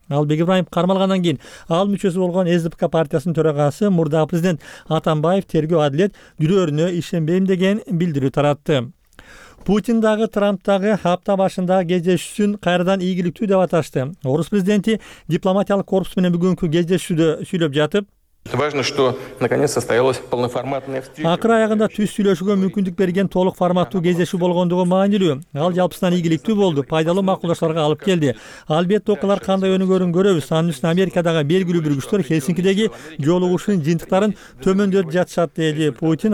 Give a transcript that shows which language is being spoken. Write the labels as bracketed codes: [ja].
[ky] Албек Ибраимов кармалгандан кийин ал мүчөсү болгон СДПК партиясынын төрагасы мурдагы президент Атамбаев тергөө адилет жүрөрүнө ишенбейм деген билдирүү таратты. Путин дагы Трамп дагы апта башындагы кездешүүсүн кайрадан ийгиликтүү деп аташты. Орус президенти дипломатиялык корпус менен бүгүнкү кездешүүдө сүйлөп жатып, [ru] Важно, что наконец состоялась полноформатная встреча. [ky] Акыр аягында түз сүйлөшүүгө мүмкүндүк берген толук форматтуу кездешүү болгондугу маанилүү. Ал жалпысынан ийгиликтүү болду, пайдалуу макулдашуулар алып келди. Албетте, окуялар кандай өнүгөрүн көрөбүз. Анын үстүнө Америкадагы белгилүү бир күчтөр Хельсинкидеги жолугушуунун жыйынтыктарын төмөндөтүп жатышат, деди Путин.